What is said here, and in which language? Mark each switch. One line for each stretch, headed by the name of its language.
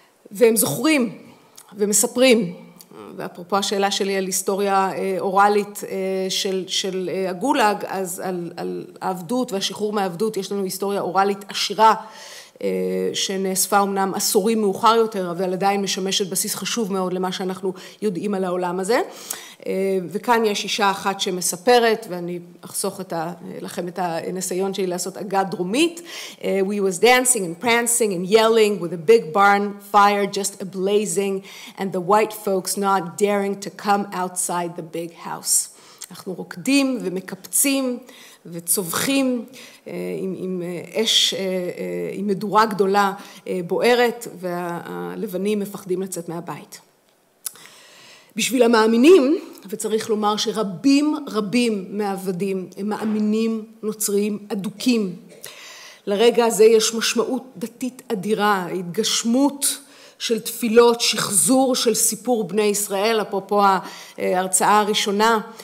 Hebrew: והם זוכרים ומספרים, ואפרופו השאלה שלי על היסטוריה אוראלית של הגולאג, אז על העבדות והשחרור מהעבדות, יש לנו היסטוריה אוראלית עשירה, שנאספה אמנם עשורים מאוחר יותר, אבל עדיין משמשת בסיס חשוב מאוד למה שאנחנו יודעים על העולם הזה. וכאן יש אישה אחת שמספרת, ואני אחסוך לכם את הניסיון שלי לעשות אגד דרומית.
English: We was dancing and prancing and yelling with a big barn fire just ablazing and the white folks not daring to come outside the big house.
Hebrew: אנחנו רוקדים ומקפצים וצובחים עם אש, עם מדורה גדולה בוערת, והלבנים מפחדים לצאת מהבית. בשביל המאמינים, וצריך לומר שרבים רבים מעבדים הם מאמינים נוצריים אדוקים, לרגע הזה יש משמעות דתית אדירה, התגשמות של תפילות, שחזור של סיפור בני ישראל, אפרופו ההרצאה הראשונה.